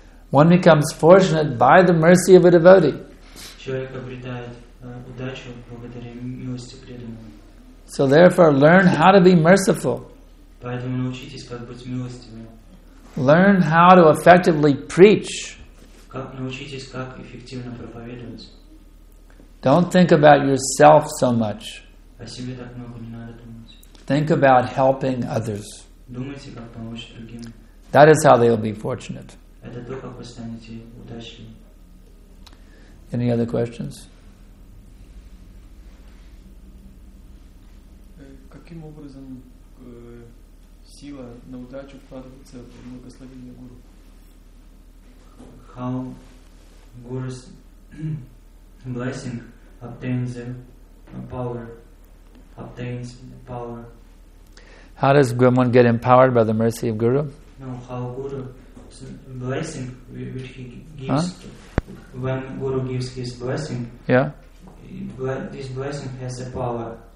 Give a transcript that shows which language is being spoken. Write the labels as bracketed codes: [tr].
[en] One becomes fortunate by the mercy of a devotee. [ru] Человек обретает удачу благодаря милости преданного. [en] So therefore, learn how to be merciful. [ru] Поэтому научитесь, как быть милостивым. [en] Learn how to effectively preach. [ru] Научитесь, как эффективно проповедовать. [en] Don't think about yourself so much. [ru] О себе так много не надо думать. [en] Think about helping others. [ru] Думайте, как помочь другим. [en] That is how they'll be fortunate. [ru] Это то, как вы станете удачливыми. [en] Any other questions? [ru] Каким образом сила на удачу вкладывается в благословение гуру? [en] How Guru's blessing obtains the power, obtains the power. How does someone get empowered by the mercy of Guru? No, how Guru's blessing which he gives, when Guru gives his blessing, this blessing has a power.